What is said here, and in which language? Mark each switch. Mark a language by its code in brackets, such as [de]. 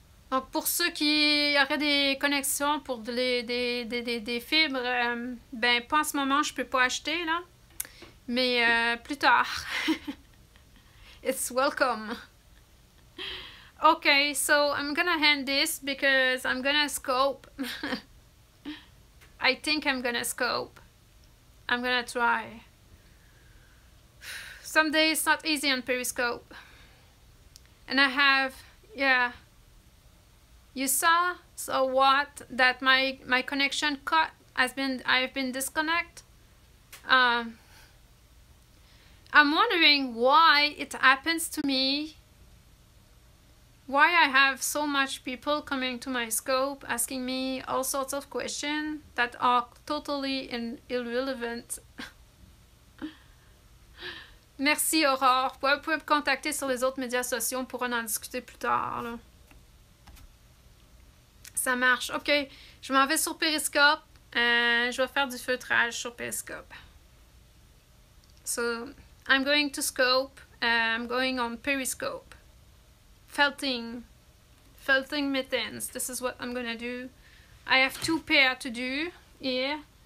[fr] Donc pour ceux qui auraient des connexions pour des fibres, ben pas en ce moment, je peux pas acheter là, mais plus tard. [en] It's welcome. Okay, so I'm gonna hand this because I'm gonna scope. I think I'm gonna scope. I'm gonna try. Someday it's not easy on Periscope. And I have, yeah. You saw what that my connection cut has been. I've been disconnect. I'm wondering why it happens to me. Why I have so much people coming to my scope asking me all sorts of questions that are totally irrelevant. [fr] Merci Aurore. Vous pouvez me contacter sur les autres médias sociaux, on pourra en discuter plus tard, là. Ça marche. Ok, je m'en vais sur Periscope. Je vais faire du feutrage sur Periscope. [en] So, I'm going to scope, I'm going on Periscope. Felting mittens, this is what I'm gonna do. I have two pair to do here.